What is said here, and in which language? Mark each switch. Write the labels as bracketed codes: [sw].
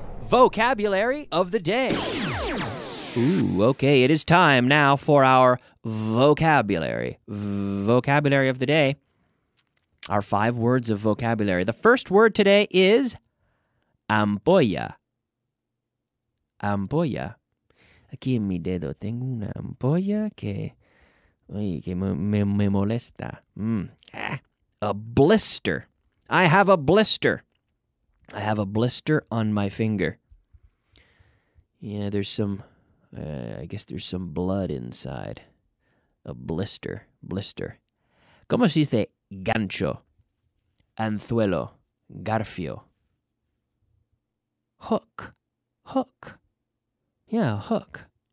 [en] vocabulary of the day. Ooh, okay, it is time now for our vocabulary. Vocabulary of the day. Our five words of vocabulary. The first word today is ampolla. [es] Ampolla. Aquí en mi dedo tengo una ampolla que, uy, que me molesta. [en] Mm. Ah, a blister. I have a blister. I have a blister on my finger. Yeah, there's some, I guess there's some blood inside. A blister. Blister. [es] ¿Cómo se dice gancho? Anzuelo. Garfio. [en] Hook. Hook. Yeah, hook.